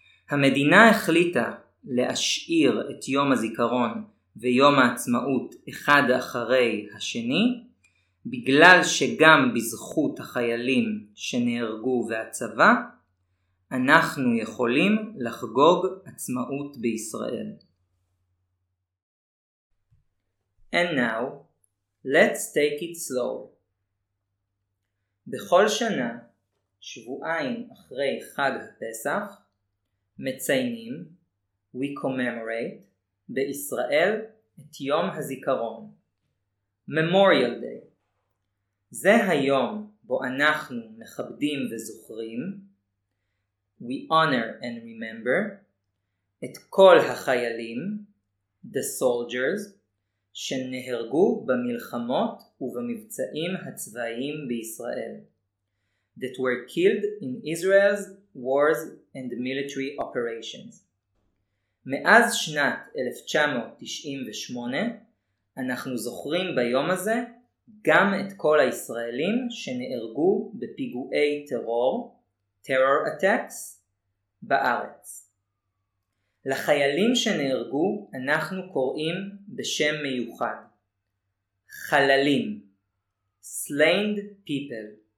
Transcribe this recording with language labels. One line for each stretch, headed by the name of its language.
Hebrew: המדינה החליטה להשאיר את יום הזיכרון ויום העצמאות אחד אחרי השני, בגלל שגם בזכות החיילים שנהרגו והצבא, אנחנו יכולים לחגוג עצמאות בישראל.
English: And now, let's take it slow.
Hebrew: בכל שנה שבועיים אחרי חג הפסח, מציינים,
English: we commemorate,
Hebrew: בישראל, את יום הזיכרון.
English: Memorial Day.
Hebrew: זה היום בו אנחנו מכבדים וזוכרים,
English: we honor and remember,
Hebrew: את כל החיילים,
English: the soldiers,
Hebrew: שנהרגו במלחמות ובמבצעים הצבאיים בישראל,
English: that were killed in Israel's wars and military operations.
Hebrew: מאז שנת 1998 אנחנו זוכרים ביום הזה גם את כל הישראלים שנהרגו בפיגועי טרור,
English: terror attacks,
Hebrew: בארץ. לחיילים שנהרגו אנחנו קוראים בשם מיוחד, חללים,
English: slain people.